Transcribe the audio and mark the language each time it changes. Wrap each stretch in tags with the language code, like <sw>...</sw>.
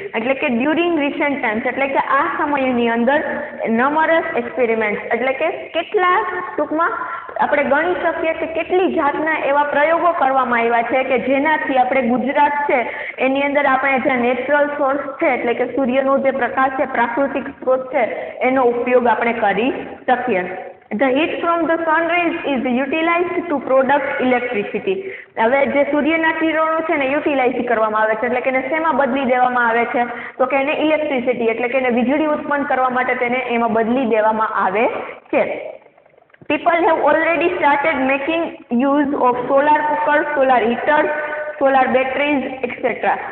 <gu>એટલે કે during recent times એટલે કે આ સમયની અંદર નમરસ એક્સપેરિમેન્ટ એટલે કે કેટલા, ટૂંકમાં આપણે ગણી શકીએ કે કેટલી જાતના એવા પ્રયોગો કરવામાં આવ્યા છે કે જેનાથી આપણે ગુજરાત છે એની અંદર આપણે જે નેચરલ સોર્સ છે એટલે કે સૂર્યનો જે પ્રકાશ છે, પ્રાકૃતિક સ્ત્રોત છે, એનો ઉપયોગ આપણે કરી શકીએ.</gu> <en>The heat from the sun rays is utilized to produce electricity.</en> <gu>હવે જે સૂર્યના કિરણો છે ને યુટિલાઇઝ કરવામાં આવે છે એટલે કે એને શેમાં બદલી દેવામાં આવે છે? તો કે એને ઇલેક્ટ્રિસિટી એટલે કે એને વીજળી ઉત્પન્ન કરવા માટે તેને એમાં બદલી દેવામાં આવે છે.</gu> <en>People have already started making use of solar cooker, solar heater, solar batteries etcetera.</en>